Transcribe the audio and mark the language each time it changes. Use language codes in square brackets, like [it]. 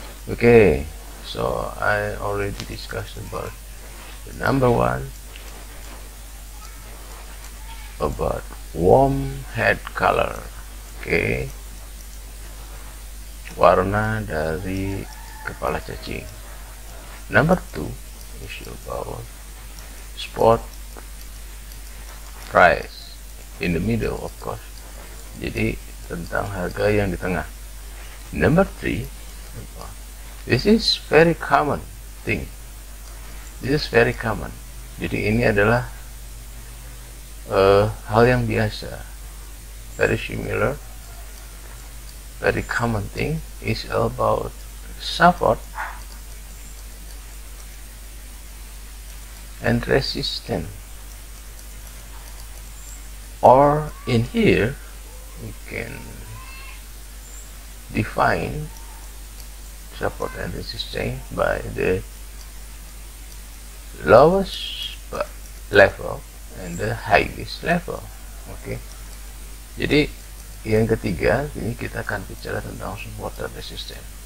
[en] Okay. So I already discussed about the number one, about warm head color. Okay. [id] Warna dari kepala cacing. [en] Number two is about spot price in the middle, of course. [id] Jadi tentang harga yang di tengah. [en] Number three, this is very common thing. This is very common. [id] Jadi ini adalah hal yang biasa. [en] Very similar, very common thing is about support and resistance. Or in here, we can define support and resistance by the lowest level and the highest level. Okay. [id] Jadi yang ketiga ini kita akan bicara tentang support and resistance.